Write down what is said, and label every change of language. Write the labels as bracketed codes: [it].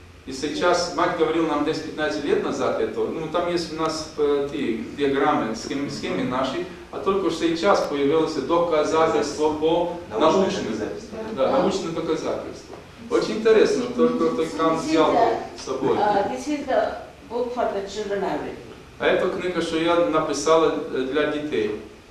[ru] И сейчас, мать говорила нам 10-15 лет назад, это, ну там есть у нас эти диаграммы, схемы наши, а только сейчас появилось доказательство по научным. Да, научное доказательство. Очень интересно, только кто-то там взял с собой. [en] This is the book for the children I've written. [ru] А это книга, что я написала для детей.